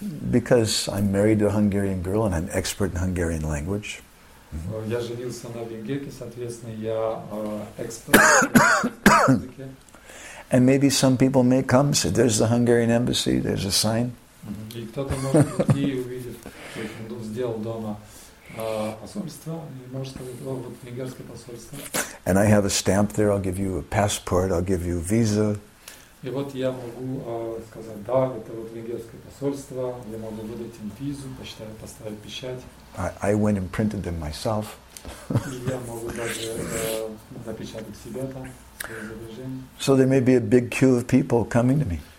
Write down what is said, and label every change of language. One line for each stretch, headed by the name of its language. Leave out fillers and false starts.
English: Because I'm married to a Hungarian girl and I'm expert in Hungarian language.
Russian: Я женился на венгерке, соответственно, я expert в языке.
English: And maybe some people may come and say, there's the Hungarian embassy, there's a sign.
Russian: И кто-то может прийти и увидеть, что он сделал дома посольство, и может сказать, вот венгерское посольство.
English: And I have a stamp there, I'll give you a passport, I'll give you a visa.
Russian: И вот я могу сказать, да, это вот венгерское посольство, я могу выдать им визу, поставить печать.
English: I went and printed them myself.
Russian: И я могу даже запечатать себя там.
English: So there may be a big queue of people coming to me.